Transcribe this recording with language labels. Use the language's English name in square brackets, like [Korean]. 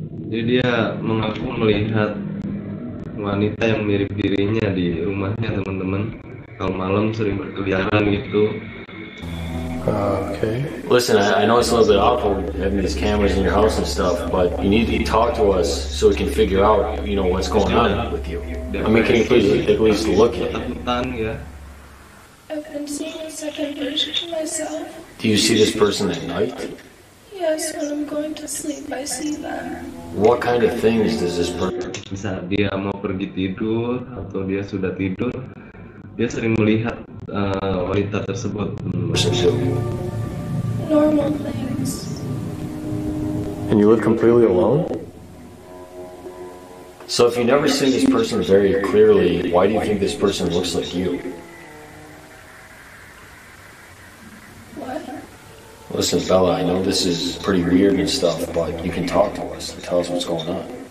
[Indonesian] Jadi dia mengaku melihat wanita yang mirip dirinya di rumahnya teman-teman. Kalau malam sering berkeliaran gitu. [English] Okay. Listen, I know it's a little bit awful having these cameras in your house and stuff, but you need to talk to us so we can figure out, you know, what's going on with you. I mean, can you please at least look at it? [Indonesian] Ketakutan ya. [English] I've been I'm seeing a second version of myself. Do you see this person at night? Yes, when I'm going to sleep, I see them. What kind of things does this person? [Indonesian] Misal dia mau pergi tidur atau dia sudah tidur, dia sering melihat wanita tersebut. [English] Normal things. And you live completely alone? So if you never see this person very clearly, why do you think this person looks like you? What? Listen, Bella, I know this is pretty weird and stuff, but you can talk to us and tell us what's going on.